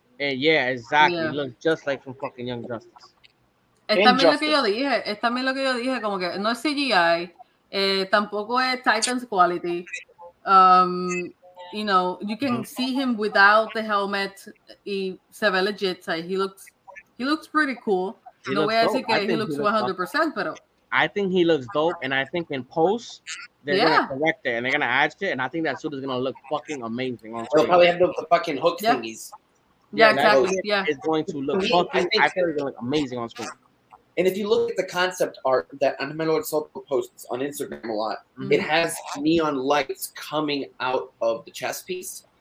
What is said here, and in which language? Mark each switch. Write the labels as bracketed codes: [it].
[en] And yeah, exactly. Yeah. It looks just like from fucking Young Justice. [es] Es también lo que yo dije. Es también lo que yo dije. Como que no es CGI. Tampoco es Titans quality. [en] You know, you can see him without the helmet. Y se ve legit. Like, he looks pretty cool. [es] No voy a decir que he looks 100%, pero... [en] I think he looks dope, and I think in post they're gonna correct it and they're gonna add shit, and I think that suit is gonna look fucking amazing. They'll probably have the fucking hook thingies. Yeah, exactly. It's going to look fucking. I think it's gonna look amazing on screen. And if you look at the concept art that Animelo Soto posts on Instagram a lot, it has neon lights coming out of the chest piece.